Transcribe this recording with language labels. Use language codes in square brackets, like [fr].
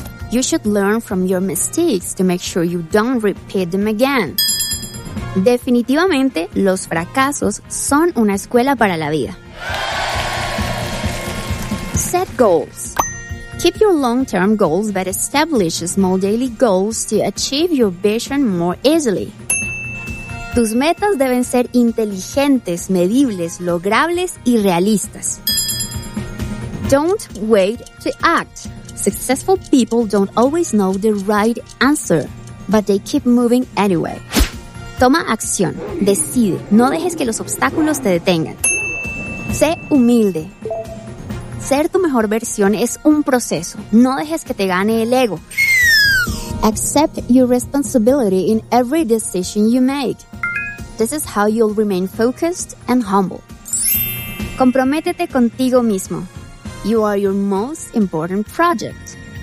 [en] You should learn from your mistakes to make sure you don't repeat them again. [es] Definitivamente, los fracasos son una escuela para la vida. [en] Set goals. Keep your long-term goals, but establish small daily goals to achieve your vision more easily. [es] Tus metas deben ser inteligentes, medibles, logrables y realistas. [en] Don't wait to act. Successful people don't always know the right answer, but they keep moving anyway. [es] Toma acción. Decide. No dejes que los obstáculos te detengan. Sé humilde. Ser tu mejor versión es un proceso. No dejes que te gane el ego. [en] Accept your responsibility in every decision you make. This is how you'll remain focused and humble. [es] Comprométete contigo mismo. [en] You are your most important project.